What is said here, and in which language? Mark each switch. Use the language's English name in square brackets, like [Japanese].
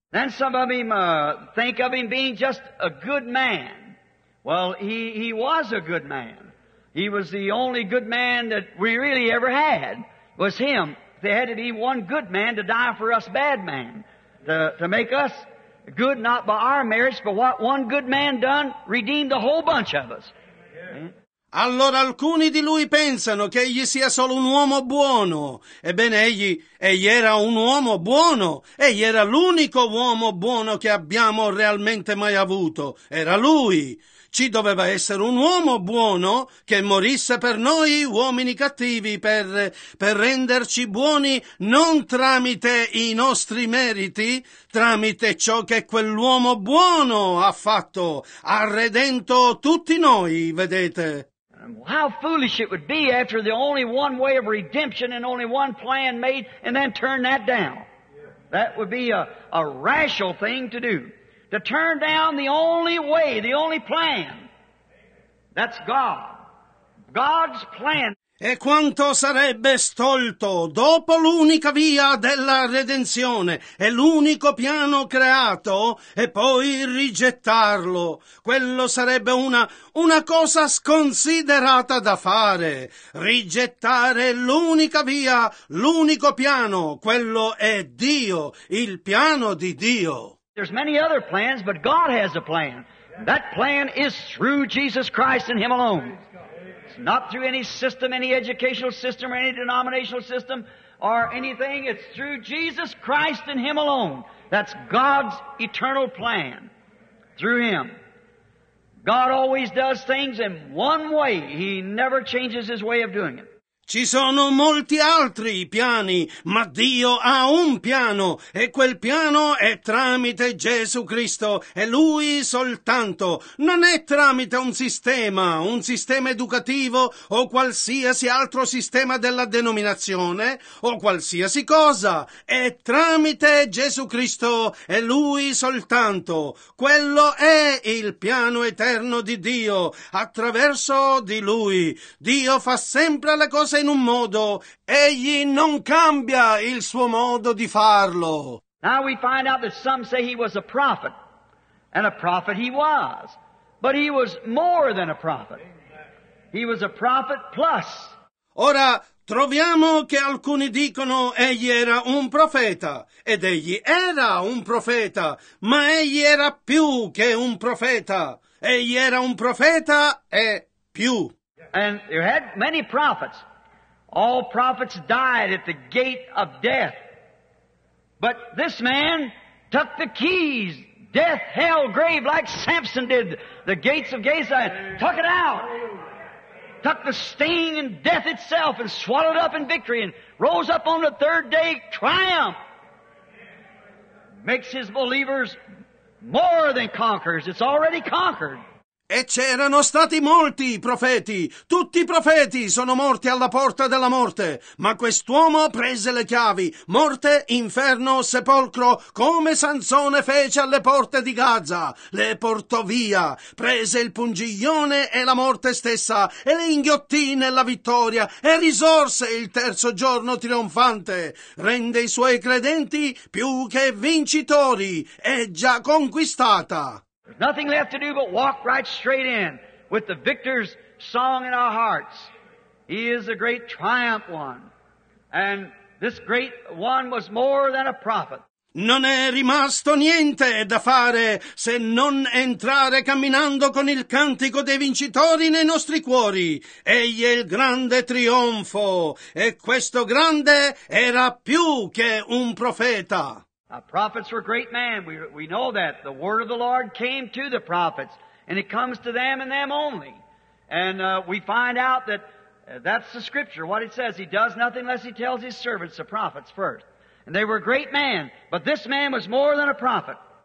[English] Then some of him think of him being just a good man. Well, he was a good man, He was the only good man that we really ever had, was him. There had to be one good man to die for us bad man, to make us good, not by our merits, but what one good man done redeemed the whole bunch of us. [Italian] Allora alcuni di lui pensano che egli sia solo un uomo buono. Ebbene, egli era un uomo buono. Egli era l'unico uomo buono che abbiamo realmente mai avuto. Era lui. Ci doveva essere un uomo buono che morisse per noi uomini cattivi, per renderci buoni non tramite i nostri meriti, tramite ciò che quell'uomo buono ha fatto, ha redento tutti noi, vedete. [English] How foolish it would be after the only one way of redemption and only one plan made and then turn that down. That would be a rational thing to do. To turn down the only way, the only plan. That's God. God's plan. [Italian] E quanto sarebbe stolto dopo l'unica via della redenzione e l'unico piano creato e poi rigettarlo. Quello sarebbe una cosa sconsiderata da fare. Rigettare l'unica via, l'unico piano, quello è Dio, il piano di Dio. [English] There's many other plans, but God has a plan. That plan is through Jesus Christ and Him alone. It's not through any system, any educational system, or any denominational system, or anything. It's through Jesus Christ and Him alone. That's God's eternal plan. Through Him. God always does things in one way. He never changes His way of doing it. [Italian] Ci sono molti altri piani, ma Dio ha un piano, e quel piano è tramite Gesù Cristo, e Lui soltanto. Non è tramite un sistema educativo, o qualsiasi altro sistema della denominazione, o qualsiasi cosa. È tramite Gesù Cristo, e Lui soltanto. Quello è il piano eterno di Dio, attraverso di Lui. Dio fa sempre le cose in un modo, egli non cambia il suo modo di farlo. [English] Now we find out that some say he was a prophet, and a prophet he was, but he was more than a prophet. He was a prophet plus. [Italian] Ora troviamo che alcuni dicono egli era un profeta, ed egli era un profeta, ma egli era più che un profeta. Egli era un profeta e più. [English] And you had many prophets. All prophets died at the gate of death. But this man took the keys, death, hell, grave, like Samson did, the gates of Gaza, and took it out. Took the sting and death itself and swallowed up in victory and rose up on the third day, triumph. Makes his believers more than conquerors. It's already conquered. [Italian] E c'erano stati molti profeti, tutti i profeti sono morti alla porta della morte, ma quest'uomo prese le chiavi, morte, inferno, sepolcro, come Sansone fece alle porte di Gaza, le portò via, prese il pungiglione e la morte stessa, e le inghiottì nella vittoria, e risorse il terzo giorno trionfante, rende i suoi credenti più che vincitori, è già conquistata. [English] Nothing left to do but walk right straight in with the victor's song in our hearts. He is a great triumph one. And this great one was more than a prophet. [Italian] Non è rimasto niente da fare se non entrare camminando con il cantico dei vincitori nei nostri cuori. Egli è il grande trionfo. E questo grande era più che un profeta. [English] Our prophets were great men. We know that. The word of the Lord came to the prophets, and it comes to them and them only. And we find out that that's the scripture, what it says. He does nothing unless he tells his servants, the prophets, first. And they were great men, but this man was more than a prophet.